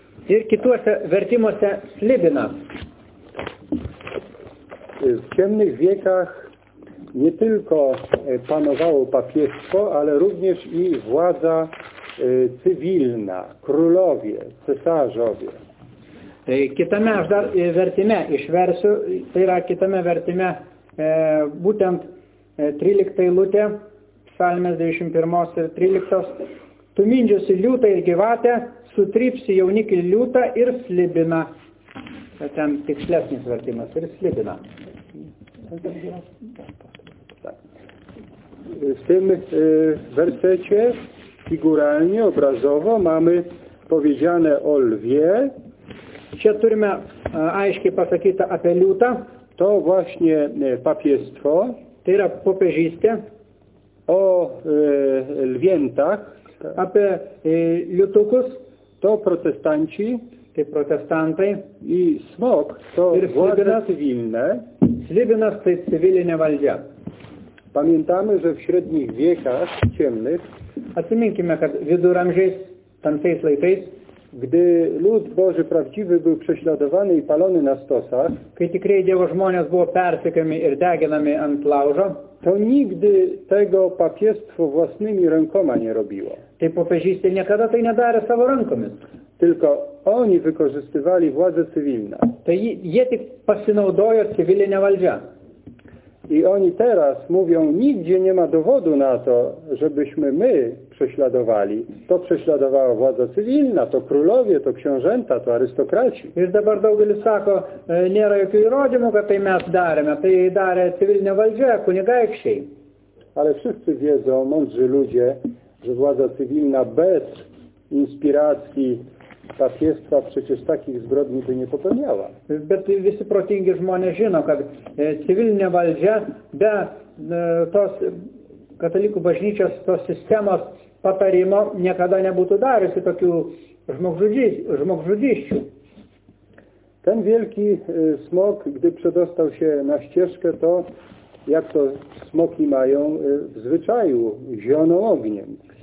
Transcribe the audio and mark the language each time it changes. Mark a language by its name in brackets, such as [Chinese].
[Lithuanian] Ir kituose vertimuose slibina. [Polish] W ciemnych wiekach nie tylko panowało papieżstwo, ale również i władza cywilna, królowie, cesarzowie. [Lithuanian] Kitame aż dar vertime išversiu, tai yra kitame vertime būtent 13 lūtė, psalmės 21 ir 13. Tu mindžiosi liūtą ir gyvatę, sutrypsi jaunikį liūtą ir slibina. Ten tikslesnis vertimas ir slibina. [Polish] W tym wersecie figuralnie, obrazowo mamy powiedziane o lwie. [Lithuanian] Čia turime aiškiai pasakyta apie liūtą. [Polish] To właśnie papieństwo. [Lithuanian] Tai yra popiežystė. [Polish] O lwiętach. [Lithuanian] Apie liutukus. [Polish] To protestanci. [Lithuanian] Tai protestantai. [Polish] I smok. To władze cywilne. [Lithuanian] Slibinas tai civilinė valdžia. [Polish] Pamiętamy, że w średnich wiekach ciemnych, [Lithuanian] atsiminkime, kad viduramžiais, tamtais laikais, [Polish] gdy lud Boży prawdziwy był prześladowany i palony na stosach, [Lithuanian] kai tikrieji Dievo žmonės buvo persekiojami ir deginami ant laužo, [Polish] to nigdy tego papiestwo własnymi rękoma nie robiło. [Lithuanian] Tai popiežystė niekada tai nedarė savo rankomis. [Polish] Tylko oni wykorzystywali władzę cywilną. [Lithuanian] Tai jie tik pasinaudojo civilinę valdžią. [Polish] I oni teraz mówią, nigdzie nie ma dowodu na to, żebyśmy my prześladowali. To prześladowała władza cywilna, to królowie, to książęta, to arystokraci. [Lithuanian] Ir dabar daugelis sako, nėra jokių įrodymų, kad tai mes darėme. Tai darė civilinė valdžia, kunigaikščiai. [Polish] Ale wszyscy wiedzą, mądrzy ludzie, że władza cywilna bez inspiracji papiestwa przecież takich zbrodni by nie popełniała. [Lithuanian] Bet visi protingi žmonės žino, kad civilinė valdžia be tos katalikų bažnyčios tos sistemos patarimo niekada nebūtų darysi tokių žmogžudysčių. [Polish] Ten wielki smok, gdy przedostał się na ścieżkę, to jak to smoki mają w zwyczaju, zioną ogniem.